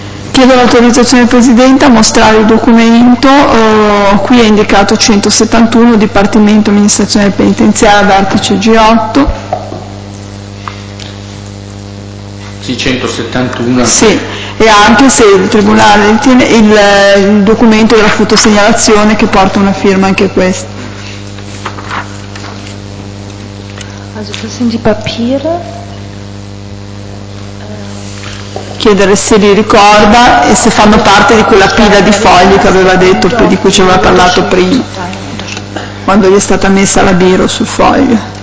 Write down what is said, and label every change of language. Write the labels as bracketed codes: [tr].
[it] Chiedo l'autorizzazione Presidente a mostrare il documento, qui è indicato 171, Dipartimento Amministrazione Penitenziaria, vertice G8. Sì, 171. Sì, e anche se il Tribunale ritiene il documento della fotosegnalazione che porta una firma anche questa. [de] Also, das sind die Papiere. [it] Chiedere se li ricorda e se fanno parte di quella pila di fogli che aveva detto, di cui ci aveva parlato prima, quando gli è stata messa la biro sul foglio.